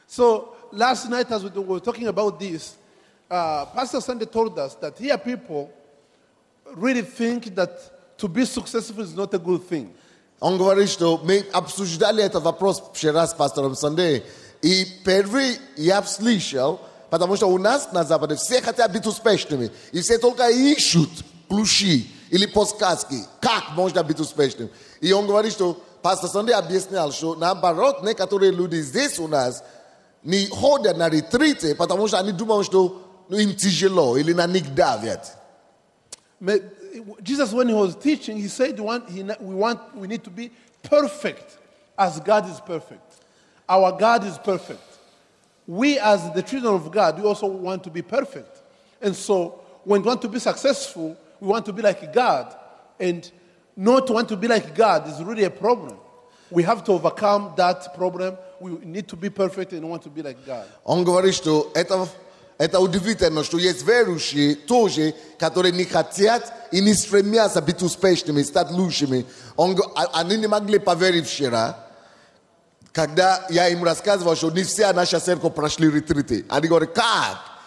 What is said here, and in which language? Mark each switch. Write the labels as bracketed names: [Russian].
[English] So, last night as we were talking about this, Pastor Sandy told us that here people really think that to be successful is not a good thing. [Russian] Он говорит, что мы обсуждали этот вопрос вчера с пастором Сандей. И первый я слышал, потому что у нас на Западе все хотят быть успешными. И все только ищут ключи или подсказки, как можно быть успешным. И он говорит, что пастор Сандей объяснял, что наоборот, некоторые люди здесь у нас не ходят на ретриты, потому что они думают, что ну, им тяжело или на них давят. [English] Jesus, when he was teaching, he said, we need to be perfect as God is perfect. Our God is perfect. We, as the children of God, we also want to be perfect. And so, when we want to be successful, we want to be like God. And not want to be like God is really a problem. We have to overcome that problem. We need to be perfect and want to be like God. [Russian] Он говорит, что это удивительно, что есть верующие тоже, которые не хотят и не стремятся быть успешными, стать лучшими. Они не могли поверить вчера, когда я им рассказывал, что не вся наша церковь прошли ретриты. Они говорят, как?